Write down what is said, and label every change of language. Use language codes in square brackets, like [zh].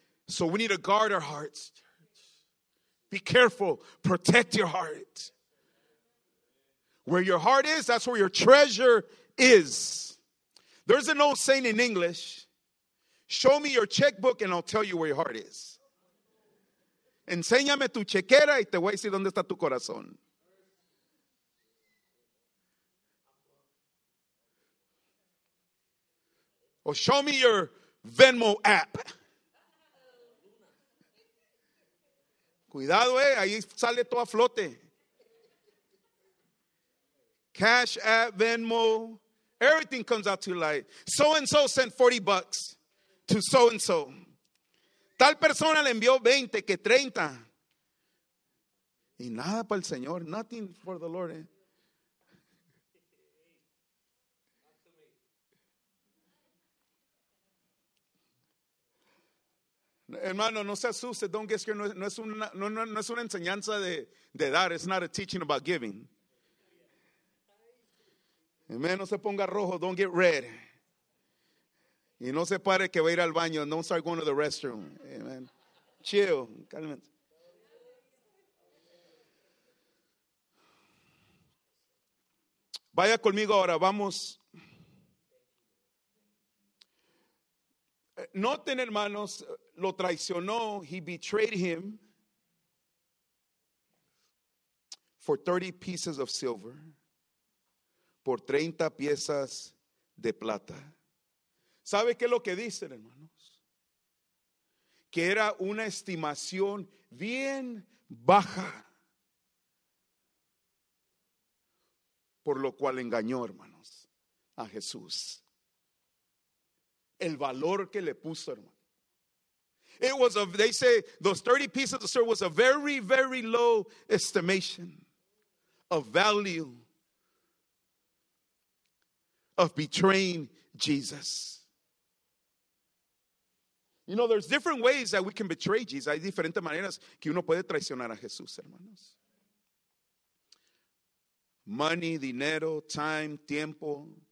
[en] So we need to guard our hearts. Be careful. Protect your heart. Where your heart is, that's where your treasure is. There's an old saying in English: show me your checkbook and I'll tell you where your heart is. [es] Enséñame tu chequera y te voy a decir dónde está tu corazón. [en] Or show me your Venmo app. [es] Cuidado, ahí sale todo a flote. [en] Cash app, Venmo, everything comes out to light. So-and-so sent $40 to so-and-so. [es] Tal persona le envió 20, que 30. Y nada para el Señor. [en] Nothing for the Lord. [es] Hermano, no se asuste. [en] Don't get scared. [es] No es una enseñanza de dar. It's not a teaching about giving. Amen. No se ponga rojo. [en] Don't get red. [es] Y no se pare que va a ir al baño. [en] Don't start going to the restroom. Amen. Chill. [es] Calmate. Vaya conmigo ahora, vamos. Noten, hermanos, lo traicionó. [en] He betrayed him for 30 pieces of silver. [es] Por 30 piezas de plata. ¿Sabe qué es lo que dicen, hermanos? Que era una estimación bien baja. Por lo cual engañó, hermanos, a Jesús. El valor que le puso, hermano. [en] It was a, they say, those 30 pieces of silver was a very, very low estimation of value of betraying Jesus. You know, there's different ways that we can betray Jesus. [es] Hay diferentes maneras que uno puede traicionar a Jesús, hermanos. [en] Money, dinero, time, tiempo.